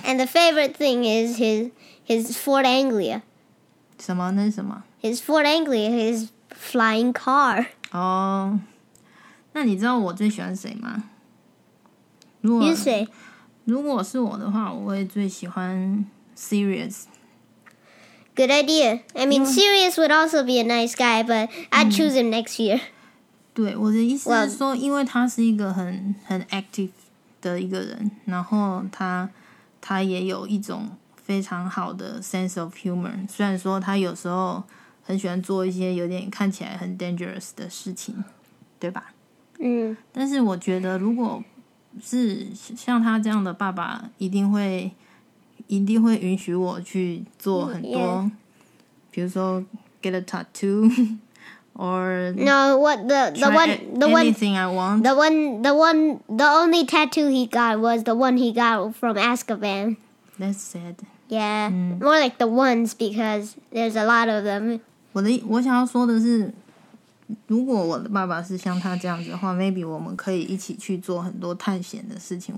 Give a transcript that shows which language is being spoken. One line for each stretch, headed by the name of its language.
English: And the favorite thing is his Ford Anglia.
Chinese: 什么？那是什么
English: ？His Ford Anglia, his flying car.
Chinese: 哦、oh, ，那你知道我最喜欢谁吗？如果你是谁？如果是我的话，我会最喜欢 Sirius.
English: good idea. I mean, Sirius would also be a nice guy, but I'd choose him next year.
Chinese: 对，我的意思是说，因为他是一个很 active 的一个人，然后他也有一种非常好的 sense of humor， 虽然说他有时候很喜欢做一些有点看起来很 dangerous 的事情，对吧？嗯，但是我觉得如果是像他这样的爸爸，一定会允许我去做很多，比如说
English: get a tattoo or no what the one anything I want the only tattoo he got was the one he got from Azkaban. That's sad. Yeah, more like the ones because there's a lot of them.
Chinese: 我想要说的是，如果我的爸爸是像他这样子的话 ，maybe 我们可以一起去做很多探险的事情。